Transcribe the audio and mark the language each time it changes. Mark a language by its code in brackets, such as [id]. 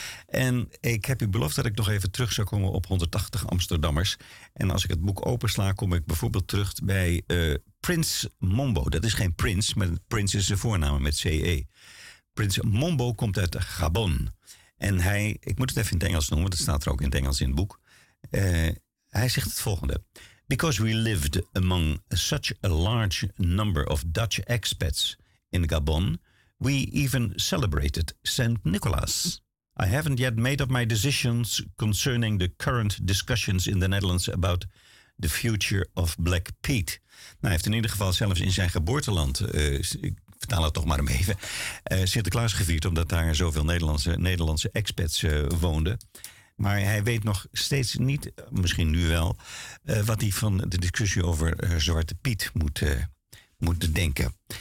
[nl] En ik heb u beloofd dat ik nog even terug zou komen op 180 Amsterdammers. En als ik het boek opensla, kom ik bijvoorbeeld terug bij Prins Mombo. Dat is geen prins, maar prins is een voorname met CE. Prins Mombo komt uit Gabon. En hij, ik moet het even in het Engels noemen, want het staat er ook in het Engels in het boek. Hij zegt het volgende. [en] Because we lived among such a large number of Dutch expats in Gabon, we even celebrated Saint Nicholas. I haven't yet made up my decisions concerning the current discussions in the Netherlands about the future of Black Pete. [nl] Nou, hij heeft in ieder geval zelfs in zijn geboorteland, ik vertaal het toch maar even, Sinterklaas gevierd, omdat daar zoveel Nederlandse expats woonden. Maar hij weet nog steeds niet, misschien nu wel, wat hij van de discussie over Zwarte Piet moet denken.